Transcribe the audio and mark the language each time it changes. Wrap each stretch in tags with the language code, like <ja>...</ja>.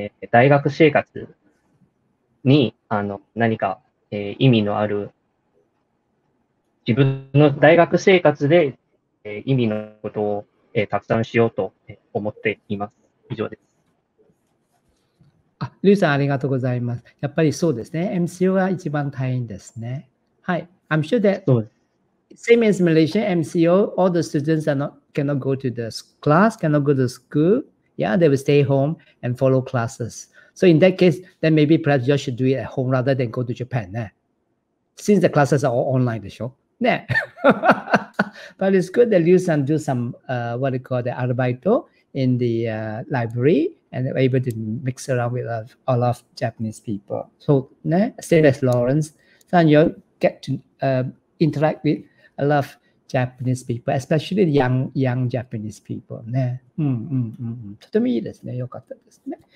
<ja>大学生活に、あの、何か、意味のある、自分の大学生活で、意味のことを、たくさんしようと思っています。以上です。あ、リュウさん、ありがとうございます。やっぱりそうですね。MCO が一番大変ですね。はい。</ja> <en>I'm sure that, same as Malaysian MCO, all the students are not, cannot go to the class, cannot go to school. Yeah, they will stay home and follow classes. So in that case, then maybe perhaps you should do it at home rather than go to Japan. Né? Since the classes are all online, show. Yeah. But it's good that Liew-san do some, what you call the arbeito in the library and were able to mix around with a lot of Japanese people. So, yeah, same as Lawrence, then you get to interact with a lot of Japanese people, especially the young Japanese people. Yeah.</en> <ja>とてもいいですね。よかったですね。</ja>